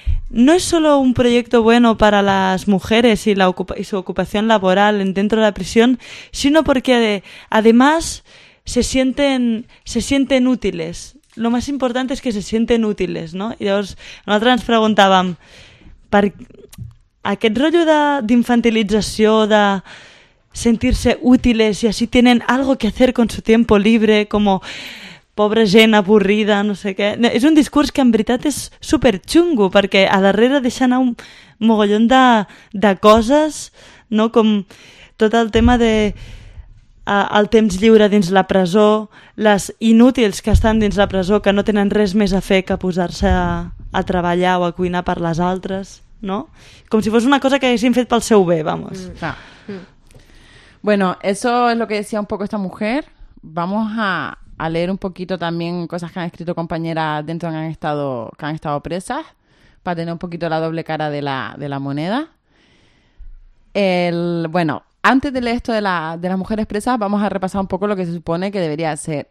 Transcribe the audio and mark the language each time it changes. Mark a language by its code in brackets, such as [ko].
[es] no es solo un proyecto bueno para las mujeres y, y su ocupación laboral dentro de la prisión, sino porque además se sienten útiles. Lo más importante es que se sienten útiles, ¿no? Y [ca] llavors, nosaltres ens preguntàvem, per aquest rotllo d'infantilització, de sentir-se [es] útiles y así tienen algo que hacer con su tiempo libre, como... [ca] pobra gent avorrida, no sé què. No, és un discurs que en veritat és superxungo, perquè a darrere deixa anar un mogollón de coses, no? Com tot el tema de el temps lliure dins la presó, les inútils que estan dins la presó, que no tenen res més a fer que posar-se a treballar o a cuinar per les altres, no? Com si fos una cosa que haguessin fet pel seu bé, vamos. [es] Bueno, eso es lo que decía un poco esta mujer. Vamos a leer un poquito también cosas que han escrito compañeras dentro que han estado presas, para tener un poquito la doble cara de la moneda. Bueno, antes de leer esto de las mujeres presas, vamos a repasar un poco lo que se supone que debería hacer.